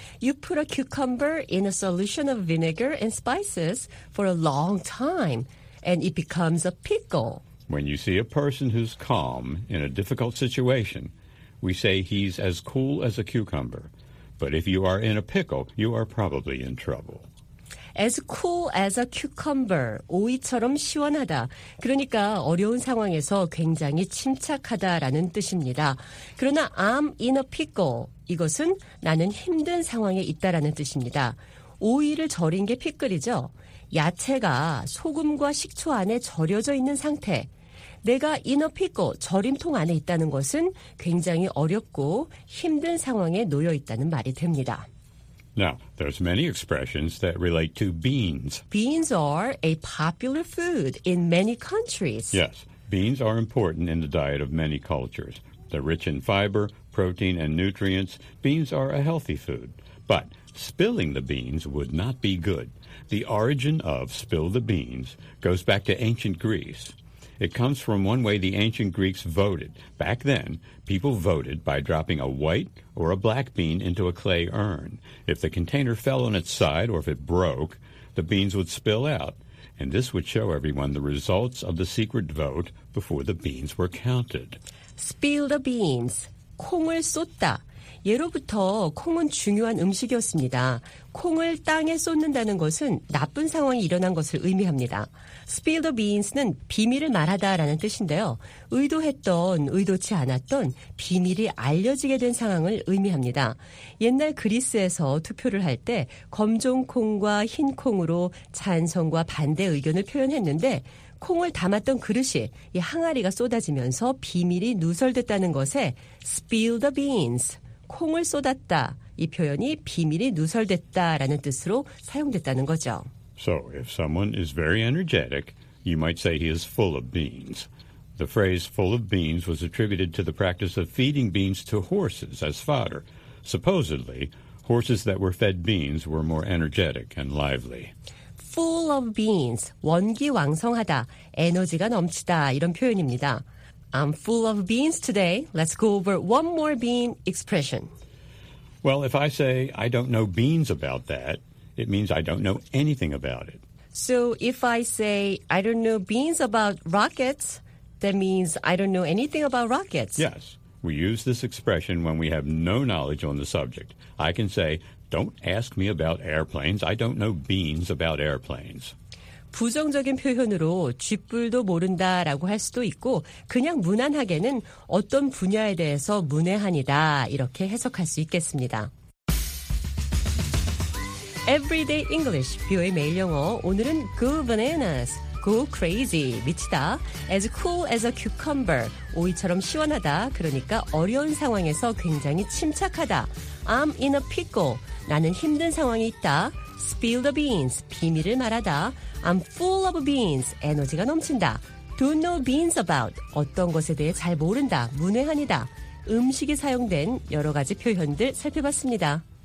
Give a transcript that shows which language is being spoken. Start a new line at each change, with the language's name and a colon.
English: You put a cucumber in a solution of vinegar and spices for a long time, and it becomes a pickle. When you see a person who's calm in a difficult situation, we say he's as cool as a cucumber. But if you are in a pickle, you are probably in trouble. As cool as a cucumber,
Korean: 오이처럼 시원하다. 그러니까 어려운 상황에서 굉장히 침착하다라는 뜻입니다. 그러나
English: I'm in a pickle,
Korean: 이것은 나는 힘든 상황에 있다라는 뜻입니다. 오이를 절인 게 pickle이죠. 야채가 소금과 식초 안에 절여져 있는 상태. 내가
English: in a pickle,
Korean: 절임통 안에 있다는 것은 굉장히 어렵고 힘든 상황에 놓여 있다는 말이 됩니다.
English: Now, there's many expressions that relate to beans. Beans are a popular food in many countries. Yes, beans are important in the diet of many cultures. They're rich in fiber, protein, and nutrients. Beans are a healthy food. But spilling the beans would not be good. The origin of spill the beans goes back to ancient Greece. It comes from one way the ancient Greeks voted. Back then, people voted by dropping a white or a black bean into a clay urn. If the container fell on its side or if it broke, the beans would spill out. And this would show everyone the results of the secret vote before the beans were counted. Spill the beans.
Korean: 콩을 쏟다. 예로부터 콩은 중요한 음식이었습니다. 콩을 땅에 쏟는다는 것은 나쁜 상황이 일어난 것을 의미합니다.
English: Spill the beans
Korean: 는 비밀을 말하다라는 뜻인데요. 의도했던, 의도치 않았던 비밀이 알려지게 된 상황을 의미합니다. 옛날 그리스에서 투표를 할 때 검정 콩과 흰 콩으로 찬성과 반대 의견을 표현했는데 콩을 담았던 그릇이 이 항아리가 쏟아지면서 비밀이 누설됐다는 것에
English: spill the beans,
Korean: 콩을 쏟았다. 이 표현이 비밀이 누설됐다라는 뜻으로 사용됐다는 거죠.
English: So, if someone is very energetic, you might say he is full of beans. The phrase full of beans was attributed to the practice of feeding beans to horses as fodder. Supposedly, horses that were fed beans were more energetic and lively. Full of beans,
Korean: 원기왕성하다, 에너지가 넘치다, 이런 표현입니다.
English: I'm full of beans today. Let's go over one more bean expression. Well, if I say I don't know beans about that, it means I don't know anything about it. So if I say I don't know beans about rockets, that means I don't know anything about rockets. Yes. We use this expression when we have no knowledge on the subject. I can say, don't ask me about airplanes. I don't know beans about airplanes.
Korean: 부정적인 표현으로 쥐뿔도 모른다라고 할 수도 있고 그냥 무난하게는 어떤 분야에 대해서 문외한이다 이렇게 해석할 수 있겠습니다. Everyday English, 뷰의 매일 영어. 오늘은
English: go bananas, go crazy,
Korean: 미치다,
English: as cool as a cucumber,
Korean: 오이처럼 시원하다, 그러니까 어려운 상황에서 굉장히 침착하다,
English: I'm in a pickle,
Korean: 나는 힘든 상황에 있다,
English: spill the beans,
Korean: 비밀을 말하다,
English: I'm full of beans,
Korean: 에너지가 넘친다,
English: don't know beans about,
Korean: 어떤 것에 대해 잘 모른다, 문외한이다, 음식이 사용된 여러 가지 표현들 살펴봤습니다.